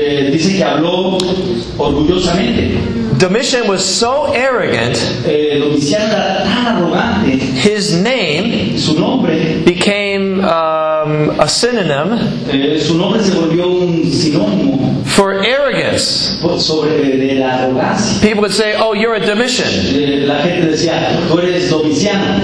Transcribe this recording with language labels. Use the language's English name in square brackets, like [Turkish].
[Spanish] Dice que habló orgullosamente. [English] Domitian was so arrogant, [Spanish] Domitian era tan arrogante, [English] his name, [Spanish] su nombre, [English] became a synonym, [Spanish] su nombre se volvió un sinónimo, [English] for arrogance. [Spanish] Sobre la arrogancia. [English] People would say, oh, you're a Domitian. [Spanish] La gente decía, tú eres Domitiano.